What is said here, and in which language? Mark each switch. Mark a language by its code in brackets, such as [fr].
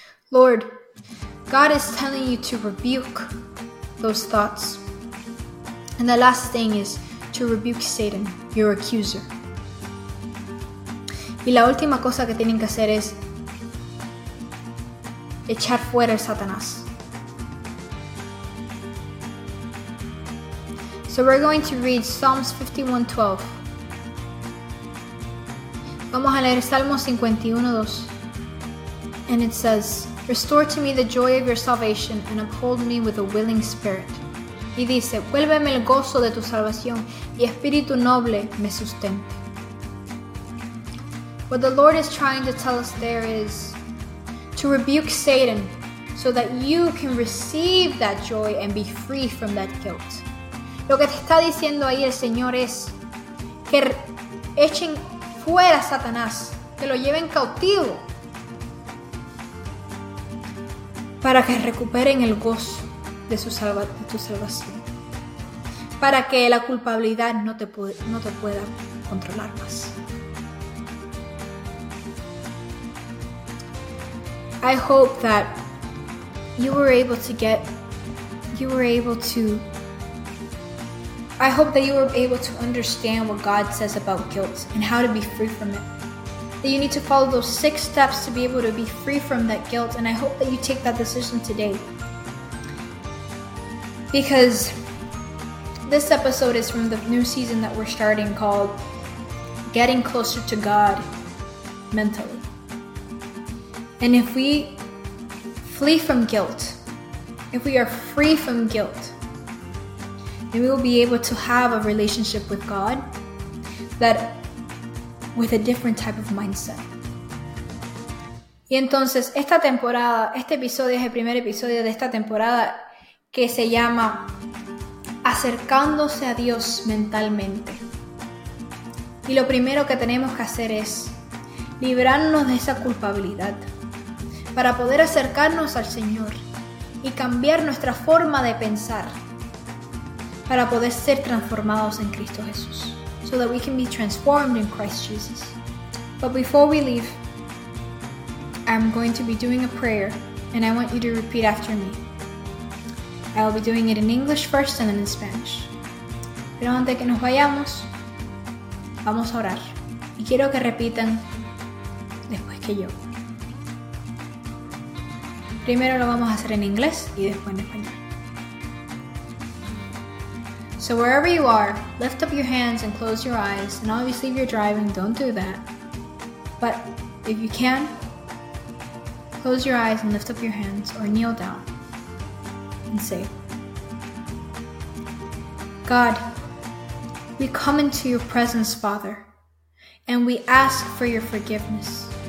[en] Lord, God is telling you to rebuke those thoughts. And the last thing is to rebuke Satan, your accuser. [es] Y la última cosa que tienen que hacer es echar fuera a Satanás. [en] So we're going to read Psalms 51:12. [es] Vamos a leer Salmo 51:2. [en] And it says, "Restore to me the joy of your salvation and uphold me with a willing spirit." [es] Y dice, "Vuélveme el gozo de tu salvación y espíritu noble me sustente." [en] What the Lord is trying to tell us there is to rebuke Satan so that you can receive that joy and be free from that guilt. [es] Lo que te está diciendo ahí el Señor es que echen fuera Satanás, que lo lleven cautivo, para que recuperen el gozo de tu salvación, para que la culpabilidad no te pueda controlar más. [en] I hope that I hope that you were able to understand what God says about guilt and how to be free from it. That you need to follow those 6 steps to be able to be free from that guilt, and I hope that you take that decision today. Because this episode is from the new season that we're starting called Getting Closer to God Mentally. And if we flee from guilt, if we are free from guilt, then we will be able to have a relationship with God that with a different type of mindset. [es] Y entonces, esta temporada, este episodio es el primer episodio de esta temporada que se llama Acercándose a Dios Mentalmente. Y lo primero que tenemos que hacer es librarnos de esa culpabilidad para poder acercarnos al Señor y cambiar nuestra forma de pensar para poder ser transformados en Cristo Jesús. [en] So that we can be transformed in Christ Jesus. But before we leave, I'm going to be doing a prayer, and I want you to repeat after me. I will be doing it in English first and then in Spanish. [es] Pero antes que nos vayamos, vamos a orar. Y quiero que repitan después que yo. Primero lo vamos a hacer en inglés y después en español. [en] So wherever you are, lift up your hands and close your eyes. And obviously if you're driving, don't do that. But if you can, close your eyes and lift up your hands or kneel down and say, God, we come into your presence, Father, and we ask for your forgiveness.